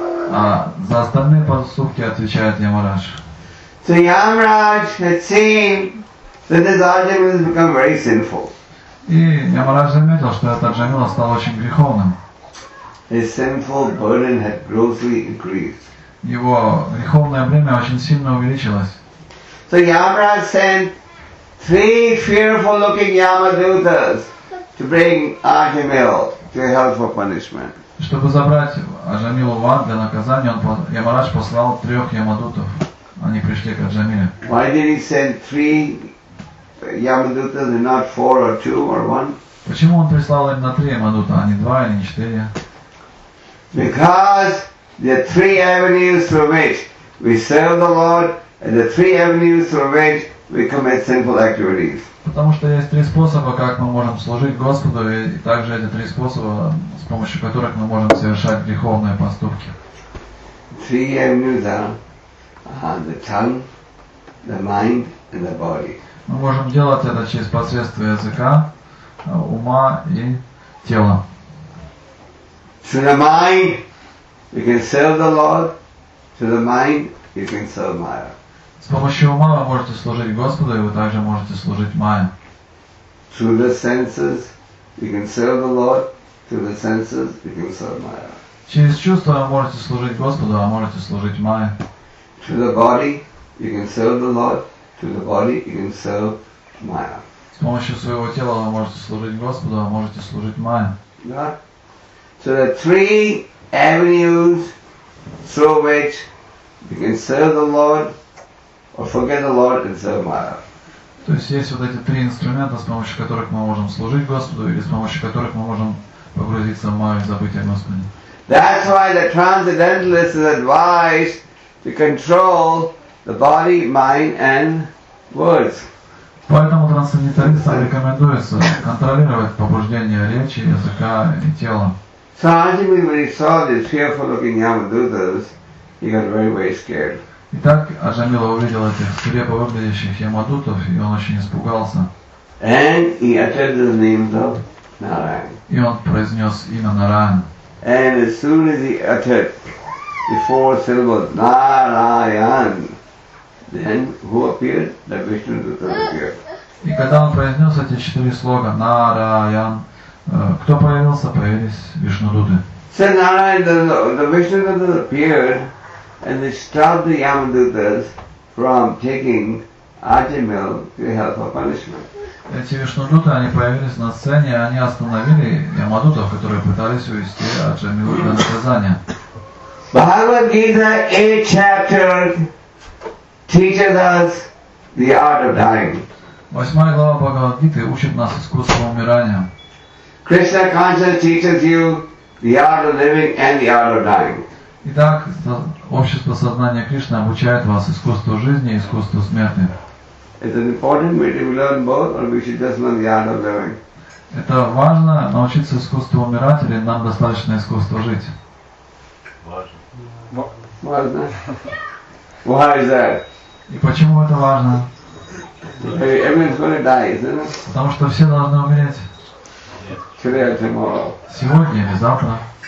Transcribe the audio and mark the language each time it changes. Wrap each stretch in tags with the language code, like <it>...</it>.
<ru>А за остальные поступки отвечает Ямарадж.</ru> <en>So Yamaraj had seen that this Arjuna has become very sinful.</en> <ru>И Ямарадж заметил, что этот Арджуна стал очень греховным.</ru> <en>His sinful burden had grossly increased.</en> <ru>Его греховное бремя очень сильно увеличилось.</ru> <en>So Yamaraj sent three fearful-looking Yamadutas to bring Ahimil to hell for punishment.</en> <ru>Чтобы забрать Арджамилу в ад для наказания, Ямарадж послал трех Ямадутов. Они пришли к Арджамиле.</ru> <en>Why did he send three Yamadutas and not four or two or one?</en> <ru>Почему он прислал именно три Ямадута, а не два или не четыре?</ru> <en>Because the three avenues through which we serve the Lord and the three avenues through which we commit sinful activities.</en> <ru>Потому что есть три способа, как мы можем служить Господу, и также эти три способа, с помощью которых мы можем совершать греховные поступки.</ru> <en>Three avenues are the tongue, the mind, and the body.</en> <ru>Мы можем делать это через посредство языка, ума и тела.</ru> <en>Through the mind, you can serve the Lord. Through the mind, you can serve Maya.</en> <ru>С помощью ума вы можете служить Господу, и вы также можете служить Майе.</ru> <en>Through the senses, you can serve the Lord. Through the senses, you can serve Maya.</en> <ru>Через чувства вы можете служить Господу, а можете служить Майе.</ru> <en>Through the body, you can serve the Lord. Through the body, you can serve Maya.</en> <ru>С помощью своего тела вы можете служить Господу, а можете служить Майе. Да.</ru> <en>So the three avenues through which we can serve the Lord or forget the Lord and serve Maya.</en> <ru>То есть есть вот эти три инструмента, с помощью которых мы можем служить Господу или с помощью которых мы можем погрузиться в Майю и забыть о Господе.</ru> <en>That's why the transcendentalists is advised to control the body, mind and words.</en> <ru>Поэтому трансценденталистам рекомендуется контролировать побуждение речи, языка и тела.</ru> <en>So Arjuna, when he saw these fearful-looking Yamadutas, he got very, very scared.</en> <ru>Итак, Арджамила увидел этих свирепо выглядящих Ямадутов, и он очень испугался.</ru> <en>And he uttered the name of Narayan.</en> <ru>И он произнес имя Нараян.</ru> <en>And as soon as he uttered the four syllables Narayan, then who appeared? The Vishnu Dutta appeared.</en> <ru>И когда он произнес эти четыре слога Нараян, кто появился, появились Вишнудуты.</ru> <en>So the Vishnudutas appeared and they stopped the Yamadutas from taking Ajimil to hell for punishment.</en> <ru>Эти Вишнудуты, они появились на сцене, и они остановили Ямадутов, которые пытались увести Ajimil для наказания.</ru> <en>Bhagavad Gita 8 chapter teaches us the art of dying.</en> <ru>Восьмая глава Бхагавад Гиты учит нас искусству умирания.</ru> <en>Krishna consciousness teaches you the art of living and the art of dying.</en> <ru>Итак, общество сознания Кришны обучает вас искусству жизни и искусству смерти.</ru> <en>Is it important we should learn both, or we should just learn the art of living?</en> <ru>Это важно научиться искусству умирать или нам достаточно искусства жить? Важно. Важно.</ru> <en>Why is that?</en> <ru>И почему это важно?</ru> <en>Everyone's going to die, isn't it?</en> <ru>Потому что все должны умереть. Сегодня или завтра.</ru>